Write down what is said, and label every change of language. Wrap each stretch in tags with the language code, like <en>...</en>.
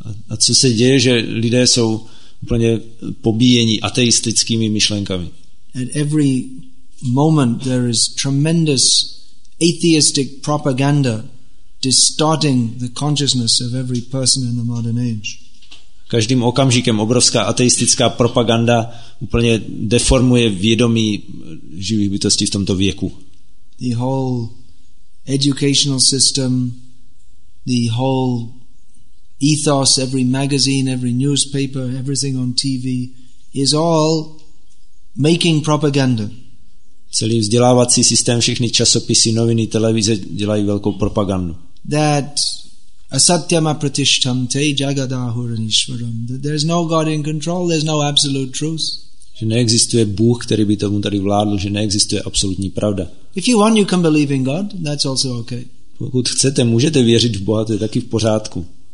<cs>A co se děje, že lidé jsou úplně pobíjeni ateistickými myšlenkami?</cs> <en>At every moment there is tremendous atheistic propaganda distorting the consciousness of every person in the modern age.</en> <cs>Každým okamžikem obrovská ateistická propaganda úplně deformuje vědomí živých bytostí v tomto věku.</cs> <en>The whole educational system, the whole ethos, every magazine, every newspaper, everything on TV is all making propaganda.</en> <cs>Celý vzdělávací systém, všechny časopisy, noviny, televize dělají velkou propagandu.</cs> <en>That</en> <sa>asatyama pratishtam te jagadahuranishvaram,</sa> <en>that there's no God in control, there's no absolute truth.</en> <cs>Že neexistuje Bůh, který by tomu tady vládl, že neexistuje absolutní pravda.</cs> <en>If you want, you can believe in God, that's also okay.</en> <cs>Pokud chcete, můžete věřit v Boha, to je taky v pořádku.</cs>